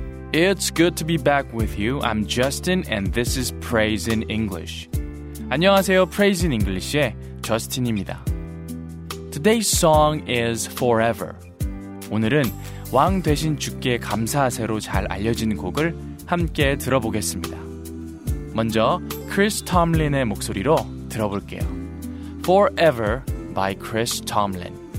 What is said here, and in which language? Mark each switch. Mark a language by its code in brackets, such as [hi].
[en] It's good to be back with you. I'm Justin and this is Praise in English. [ko] 안녕하세요. Praise in English의 저스틴입니다. [en] Today's song is Forever. [ko] 오늘은 왕 되신 주께 감사하세로 잘 알려진 곡을 함께 들어보겠습니다. 먼저 Chris Tomlin의 목소리로 들어볼게요. [en] Forever by Chris Tomlin.